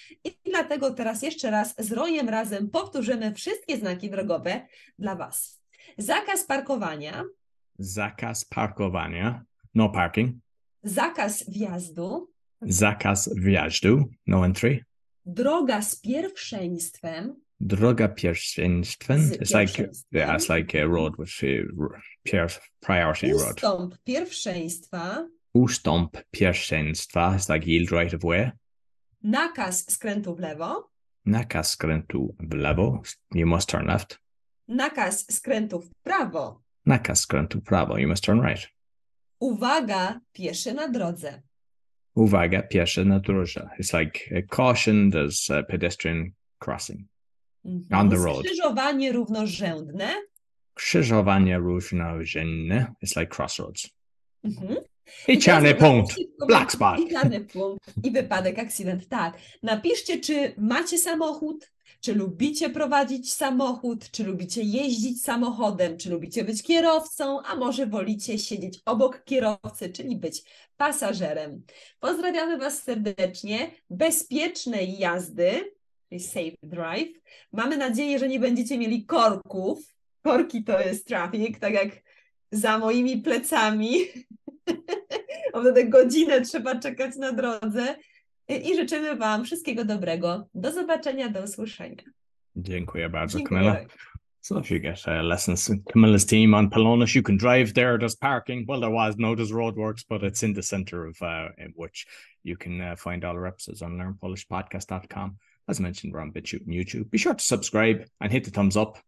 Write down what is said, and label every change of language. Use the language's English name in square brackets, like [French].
[Polish] I dlatego teraz jeszcze raz z Rojem razem powtórzymy wszystkie znaki drogowe dla Was. Zakaz parkowania. Zakaz parkowania. [English] No parking. [Polish] Zakaz wjazdu. Zakaz wjazdu. [English] No entry. [Polish] Droga z pierwszeństwem. Droga pierwszeństwem. [English] It's like, yeah, it's like a road with priority road. [Polish] Ustąp pierwszeństwa. Ustąp pierwszeństwa. [English] It's like yield right of way. [Polish] Nakaz skrętu w lewo. Nakaz skrętu w lewo. [English] You must turn left. [Polish] Nakaz skrętu w prawo. Nakaz skrętu w prawo. [English] You must turn right. [Polish] Uwaga, pieszy na drodze. Uwaga, pieszy na drodze. [English] It's like a caution, there's a pedestrian crossing. On the road. [Polish] Skrzyżowanie równorzędne. Krzyżowanie równorzędne. [English] It's like crossroads. [Polish] I czarny punkt. [English] Black spot. [Polish] I czarny punkt. I wypadek, akcydent. Tak. Napiszcie, czy macie samochód, czy lubicie prowadzić samochód, czy lubicie jeździć samochodem, czy lubicie być kierowcą, a może wolicie siedzieć obok kierowcy, czyli być pasażerem. Pozdrawiamy Was serdecznie. Bezpiecznej jazdy. [English] Safe drive. [Polish] Mamy nadzieję, że nie będziecie mieli korków. Korki to jest traffic, tak jak za moimi plecami. O wtedy godzinę trzeba czekać na drodze. I życzymy Wam wszystkiego dobrego. Do zobaczenia, do usłyszenia. Dziękuję bardzo, Dziękuję. Kamila. [English] So if you get lessons from Camilla's team on Polonus, you can drive there, there's parking. Well, there was, no, there's roadworks, but it's in the center of which you can find all our episodes on learnpolishpodcast.com. As mentioned, we're on BitChute and YouTube. Be sure to subscribe and hit the thumbs up.